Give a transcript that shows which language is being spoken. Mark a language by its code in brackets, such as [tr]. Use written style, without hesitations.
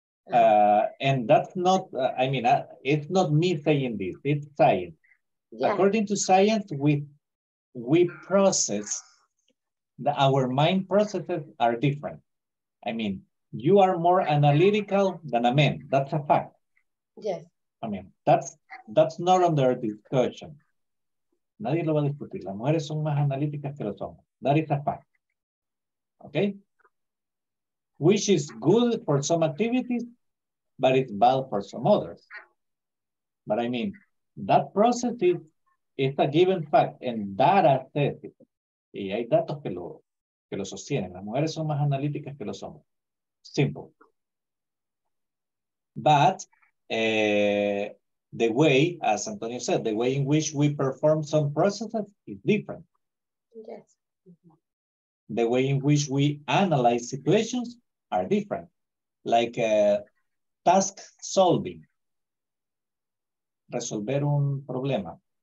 [en] And that's not, I mean, it's not me saying this, it's science. Yeah. According to science, we process, our mind processes are different. I mean, you are more analytical than a man, that's a fact. Yes. I mean, that's not under discussion. [es] Nadie lo va a discutir, las mujeres son más analíticas que los hombres. [en] That is a fact, okay? Which is good for some activities, but it's bad for some others. But I mean, that process is a given fact, and data says, [es] y hay datos que lo sostienen. Las mujeres son más analíticas que los hombres. [en] Simple. But the way, as Antonio said, the way in which we perform some processes is different. Yes. The way in which we analyze situations are different. Like task solving, [es] resolver un problema.